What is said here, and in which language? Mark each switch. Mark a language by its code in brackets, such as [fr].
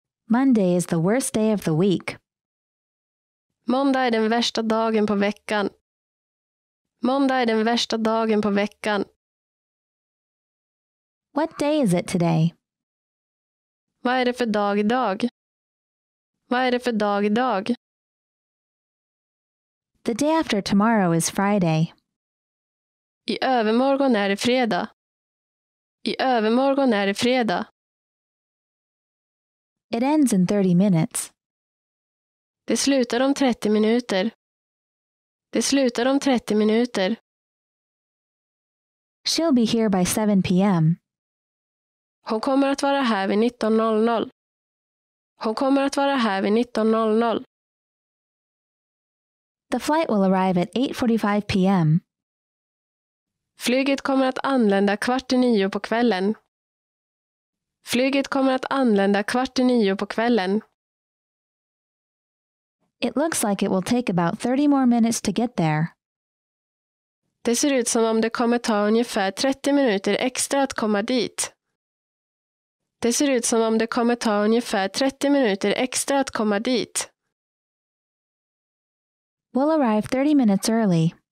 [en] Monday is the worst day of the week. [sv] Måndag är den värsta dagen på veckan. Måndag är den värsta dagen på veckan. [en] What day is it today? [sv] Vad är det för dag idag? Vad är det för dag idag? [en] The day after tomorrow is Friday. [sv] I övermorgon är det fredag. I övermorgon är det fredag. [en] It ends in 30 minutes. [sv] Det slutar om 30 minuter. Det slutar om 30 minuter. [en] She'll be here by 7 p.m. [sv] Hon kommer att vara här vid 19.00. Hon kommer att vara här vid 19.00. [en] The flight will arrive at 8.45 p.m. [sv] Flyget kommer att anlända 8:15 på kvällen. Flyget kommer att anlända 8:15 på kvällen. [en] It looks like it will take about 30 more minutes to get there. [sv] Det ser ut som om det kommer ta ungefär 30 minuter extra att komma dit. Det ser ut som om det kommer ta ungefär 30 minuter extra att komma dit. [en] We'll arrive 30 minutes early.